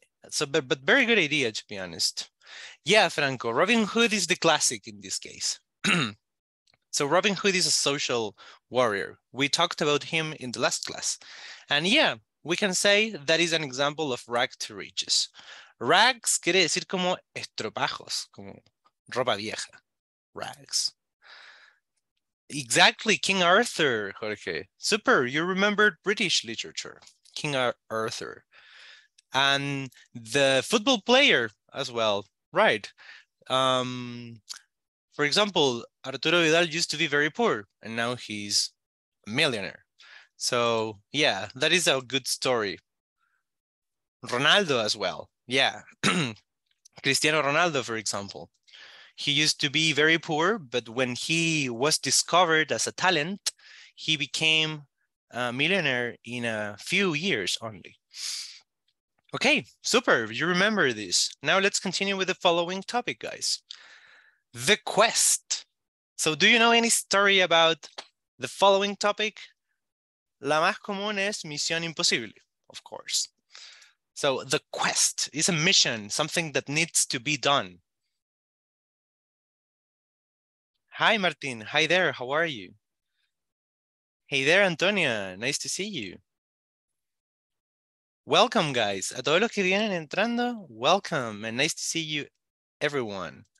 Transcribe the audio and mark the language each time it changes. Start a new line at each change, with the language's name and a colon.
English: So, but very good idea, to be honest. Yeah, Franco, Robin Hood is the classic in this case. So Robin Hood is a social warrior. We talked about him in the last class. And yeah, we can say that is an example of rag to riches.
Spanish: Rags quiere decir como estropajos, como ropa vieja.
English: Rags. Exactly, King Arthur, Jorge. Super, you remembered British literature. King Arthur. And the football player as well, right? For example, Arturo Vidal used to be very poor and now he's a millionaire. So yeah, that is a good story. Ronaldo as well, yeah. Cristiano Ronaldo, for example. He used to be very poor, but when he was discovered as a talent, he became a millionaire in a few years only. Okay, super, you remember this. Now let's continue with the following topic, guys. The quest. So do you know any story about the following topic?
Spanish: La más común es misión imposible,
English: of course. So the quest is a mission, something that needs to be done. Hi, Martin. Hi there, how are you? Hey there, Antonia, nice to see you. Welcome, guys.
Spanish: A todos los que vienen entrando,
English: welcome, and nice to see you, everyone.